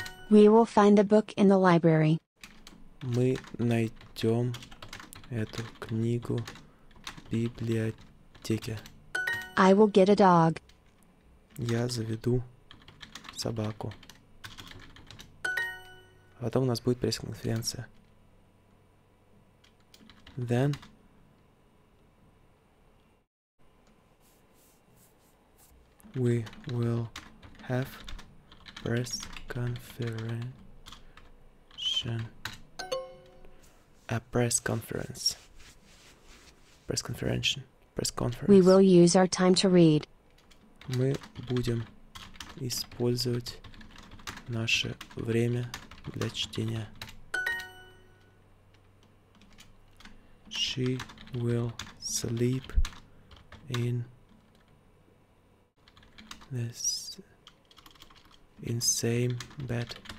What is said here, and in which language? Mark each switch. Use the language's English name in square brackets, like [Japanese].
[English] We will find the book in the library. [Russian] Мы найдем эту книгу в библиотеке. [English] I will get a dog. [Russian] Я заведу собаку. А потом у нас будет пресс-конференция. [English] Then We will have press conference. A press conference. Press conference. Press conference. We will use our time to read. [Russian] Мы будем использовать наше время для чтения. [English] She will sleep in this in same bed.